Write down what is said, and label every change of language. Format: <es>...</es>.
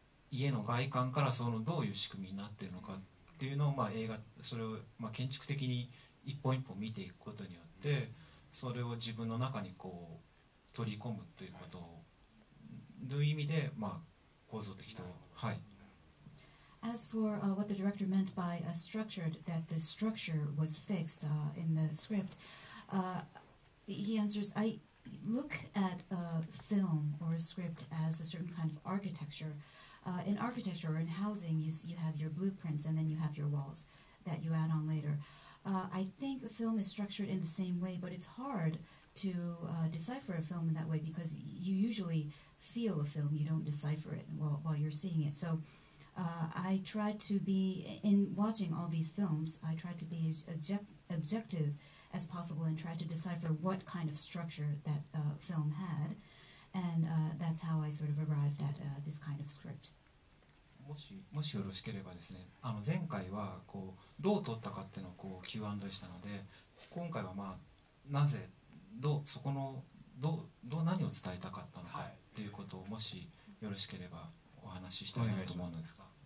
<ja>家の外観からそのどういう仕組みになっているのかっていうのを、まあ、映画それを、まあ、建築的に一本一本見ていくことによって、それを自分の中にこう取り込むということを、はい、という意味で、まあ、構造的と。はい。</ja> <en>As for what the director meant by a structured, that the structure was fixed in the script, he answers, I look at a film or a script as a certain kind of architecture. In architecture or in housing, you have your blueprints and then you have your walls that you add on later. I think a film is structured in the same way, but it's hard to decipher a film in that way because you usually feel a film, you don't decipher it while you're seeing it. So,I tried to be, in watching all these films, I tried to be as objective as possible and tried to decipher what kind of structure that film had. And that's how I sort of arrived at this kind of script.</en> <ja>もしよろしければですね、前回はこうどう撮ったかっていうのをこう Q&A したので、今回は、まあ、なぜどうそこのどう何を伝えたかったのかっていうことを、もしよろしければお話ししたいなと思うんですが、</ja>